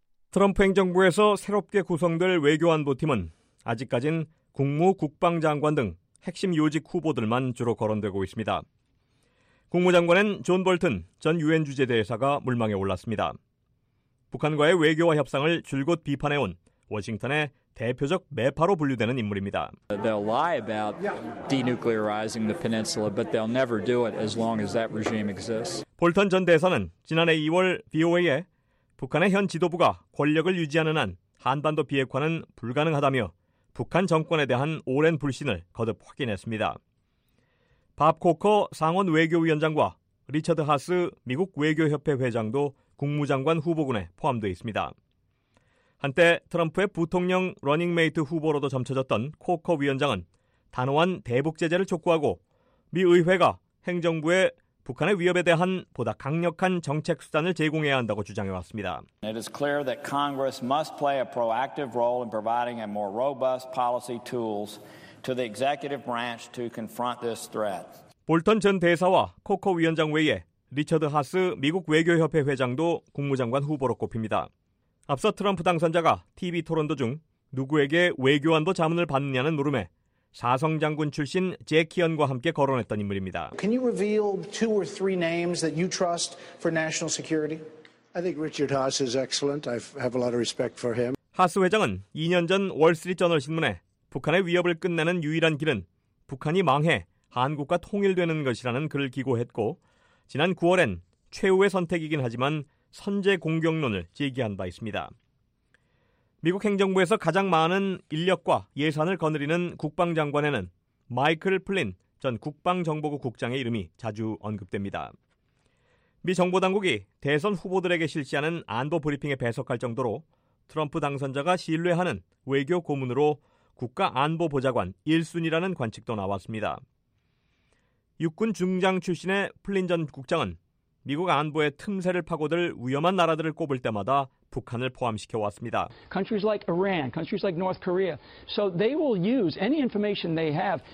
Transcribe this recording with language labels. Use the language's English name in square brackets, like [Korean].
[Korean] 트럼프 행정부에서 새롭게 구성될 외교 안보팀은 아직까진 국무 국방장관 등 핵심 요직 후보들만 주로 거론되고 있습니다. 국무장관은 존 볼튼 전 유엔 주재 대사가 물망에 올랐습니다. 북한과의 외교와 협상을 줄곧 비판해온 워싱턴의 대표적 매파로 분류되는 인물입니다. [English] They'll lie about denuclearizing the peninsula, but they'll never do it as long as that regime exists. [Korean] 볼턴 전 대사는 지난해 2월 VOA에 북한의 현 지도부가 권력을 유지하는 한 한반도 비핵화는 불가능하다며 북한 정권에 대한 오랜 불신을 거듭 확인했습니다. 밥 코커 상원 외교위원장과 리처드 하스 미국 외교협회 회장도 국무장관 후보군에 포함되어 있습니다. 한때 트럼프의 부통령 러닝메이트 후보로도 점쳐졌던 코커 위원장은 단호한 대북 제재를 촉구하고 미 의회가 행정부의 북한의 위협에 대한 보다 강력한 정책 수단을 제공해야 한다고 주장해 왔습니다. [English] It is clear that Congress must play a proactive role in providing a more robust policy tools to the executive branch to confront this threat. [Korean] 볼턴 전 대사와 코커 위원장 외에 리처드 하스 미국 외교협회 회장도 국무장관 후보로 꼽힙니다. 앞서 트럼프 당선자가 TV 토론도 중 누구에게 외교안보 자문을 받느냐는 물음에 사성장군 출신 제키언과 함께 거론했던 인물입니다. [English] Can you reveal two or three names that you trust for national security? I think Richard Haass is excellent. I have a lot of respect for him. [Korean] 하스 회장은 2년 전 월스트리트저널 신문에 북한의 위협을 끝내는 유일한 길은 북한이 망해 한국과 통일되는 것이라는 글을 기고했고 지난 9월엔 최후의 선택이긴 하지만 선제 공격론을 제기한 바 있습니다. 미국 행정부에서 가장 많은 인력과 예산을 거느리는 국방장관에는 마이클 플린 전 국방정보국 국장의 이름이 자주 언급됩니다. 미 정보당국이 대선 후보들에게 실시하는 안보 브리핑에 배석할 정도로 트럼프 당선자가 신뢰하는 외교 고문으로 국가 안보 보좌관 1순위라는 관측도 나왔습니다. 육군 중장 출신의 플린 전 국장은 미국 안보의 틈새를 파고들 위험한 나라들을 꼽을 때마다 북한을 포함시켜 왔습니다. [English] Countries like Iran, countries like North Korea. So they will use any information they have.